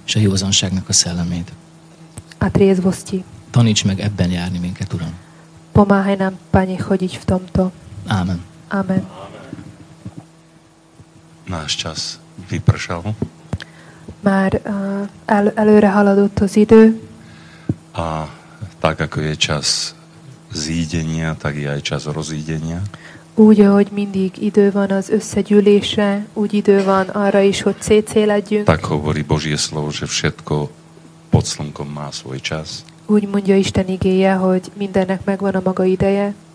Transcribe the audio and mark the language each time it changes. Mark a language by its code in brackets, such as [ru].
[hu] És a józanságnak a szellemét. [sk] A triezvosti. [hu] Taníts meg ebben járni minket, Uram. [sk] Pomáhaj nám, Pane, chodiť v tomto. Amen. Amen. Náš čas vypršal. [hu] Már előre haladott az idő. [sk] A tak, ako je čas zídenia, tak je aj čas rozídenia. [hu] Úgy, ahogy mindig idő van az összegyűlésre, úgy idő van arra is, hogy cécéledjünk. [sk] Tak hovorí Božie slovo, že všetko pod slnkom má svoj čas. [hu] Úgy mondja Isten igéje, hogy mindennek megvan a maga ideje.